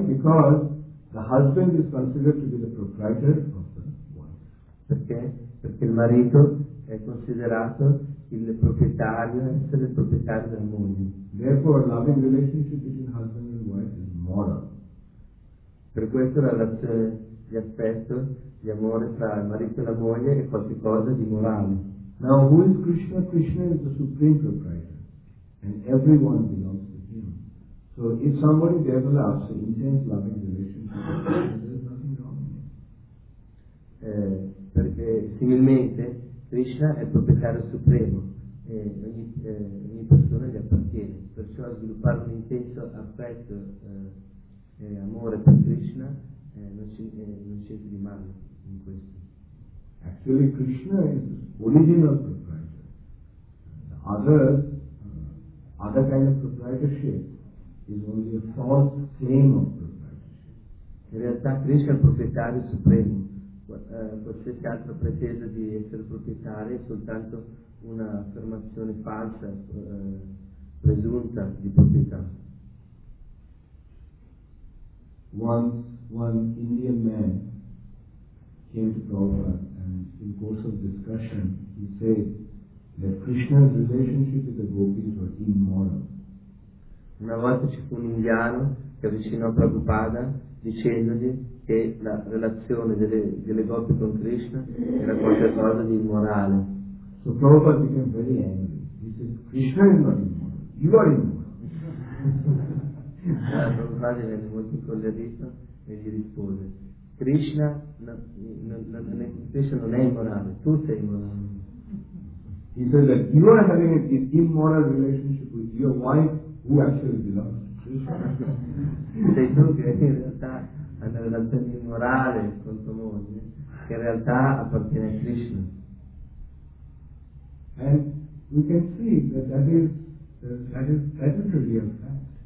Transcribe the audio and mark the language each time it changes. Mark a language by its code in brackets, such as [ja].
[en] Because the husband is considered to be the proprietor of the wife. [it] Perché? Perché il marito è considerato il proprietario, essere il proprietario della moglie. [en] Therefore, loving relationship between husband and wife is moral. [it] Per questo la relazione di affetto, di amore tra il marito e la moglie è qualcosa di morale. [en] Now, who is Krishna? Krishna is the supreme proprietor. And everyone belongs to him. So if somebody develops an intense loving relationship, there is nothing wrong in it. [it] Perché similmente Krishna è il proprietario supremo e ogni persona gli appartiene, perciò sviluppare un intenso affetto e amore per Krishna non c'è di male in questo. [en] Actually Krishna is origin of proprietor. Other kind of proprietorship is only a false claim of proprietorship. [it] In realtà Krishna è il proprietario supremo. Qualsiasi altra pretesa di essere proprietario è soltanto un'affermazione falsa, presunta di proprietà. [en] One Indian man came to Prabhupada and in course of discussion he said that Krishna's relationship with the gopis was immoral. [it] Una volta ci fu un indiano che avvicinò a Prabhupada dicendogli che la relazione delle gopi con Krishna era qualcosa di immorale. [en] So Prabhupada became very angry. He said, Krishna is not immoral. You are immoral. [it] Prabhupada venne molto incollerito e gli rispose, Krishna non è immorale, tu sei immorale. [en] He said that you are having an immoral relationship with your wife who actually belongs to Krishna. [it] Sei tu che in realtà ha una relazione immorale con tua moglie che in realtà appartiene a Krishna. [en] And we can see that is a real fact.